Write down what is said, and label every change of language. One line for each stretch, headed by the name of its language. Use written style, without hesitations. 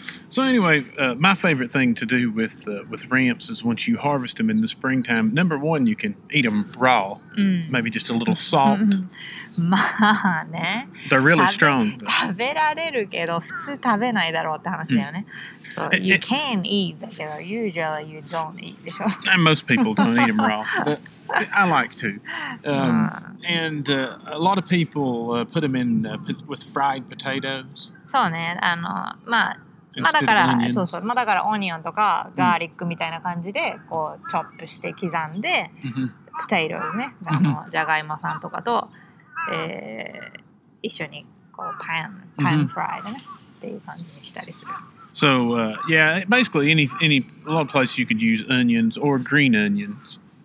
English: So anyway, my favorite thing to do with ramps is once you harvest them in the springtime, number one, you can eat them raw, maybe just a little salt.
Japanese: まあね。
English: They're really strong.
Japanese: 食べられるけど普通食べないだろうって話だよね。
English: So you can eat, but usually you don't eat,
Japanese: でしょ?
English: And most people don't eat them raw, but I like to. And a lot of people put them in with fried potatoes.
Japanese: そうね。あの、まあ、まあだから、そうそう。まあだからオニオンとかガーリックみたいな感じでこうチョップして刻んで、ポテトですね。あの、じゃがいもさんとかと、一緒にこうパンフライでね、っていう感じにしたりする。
English: So, yeah, basically any a lot of places you could use onions or green onions.